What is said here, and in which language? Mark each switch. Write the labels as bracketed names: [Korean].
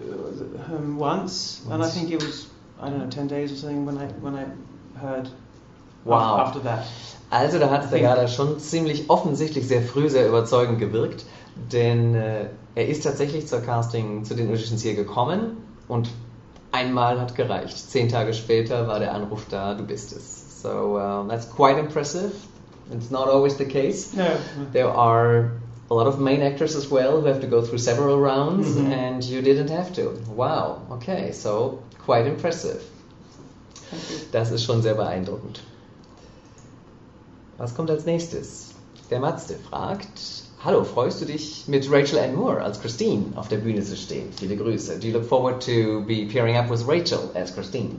[English] Once, and I think it was, I don't know, 10 days or something when I heard. Wow. After that. [German] Also da hat der Garda schon ziemlich offensichtlich sehr früh sehr überzeugend gewirkt, denn er ist tatsächlich zur Casting, zu den Auditions hier gekommen und einmal hat gereicht. 10 Tage später war der Anruf da, du bist es. [English] So that's quite impressive. It's not always the case. No. There are a lot of main actors as well who have to go through several rounds, mm-hmm, and you didn't have to. Wow, okay, so quite impressive. Das ist schon sehr beeindruckend. [German] Was kommt als nächstes? Der Matze fragt: Hallo, freust du dich, mit Rachel Ann Moore als Christine auf der Bühne zu stehen? Viele Grüße. [English] Do you look forward to be pairing up with Rachel as Christine?